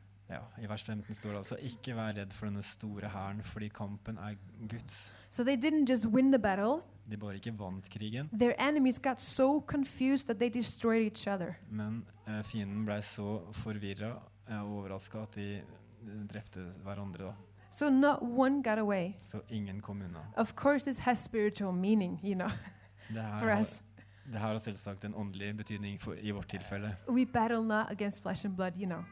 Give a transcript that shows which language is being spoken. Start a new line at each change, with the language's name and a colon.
Norwegian: Ja, I vers 15 står det altså, ikke vær redd for denne store herren, fordi kampen Guds.
English: So they didn't just win the battle.
Norwegian: De bare ikke vant krigen.
English: Their enemies got so confused that they destroyed each other.
Norwegian: Men fienden ble så forvirret og overrasket at de drepte hverandre da.
English: So not one got away.
Norwegian: Så ingen kom unna.
English: Of course this has spiritual meaning, you know, for us.
Norwegian: Det har selvsagt en åndelig betydning for, I vårt tilfelle.
English: We battle not against flesh and blood, you know.